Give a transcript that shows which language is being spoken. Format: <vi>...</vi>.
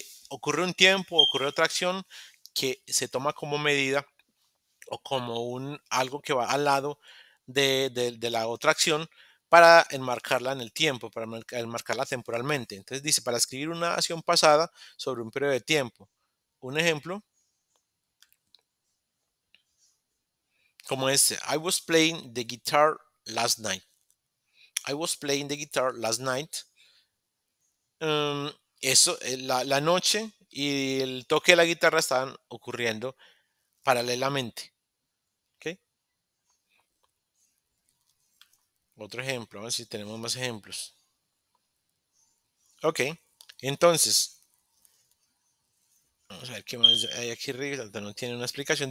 <es>Ocurre un tiempo, ocurre otra acción que se toma como medida o como algo que va al lado de la otra acción para enmarcarla en el tiempo, para enmarcarla temporalmente. Entonces dice, para escribir una acción pasada sobre un periodo de tiempo. Un ejemplo, como este,</es> <en>I was playing the guitar last night. I was playing the guitar last night.</en> <es>Eso, la noche y el toque de la guitarra estaban ocurriendo paralelamente. Otro ejemplo, a ver si tenemos más ejemplos. Ok, entonces, vamos a ver qué más hay aquí arriba, no tiene una explicación.</es>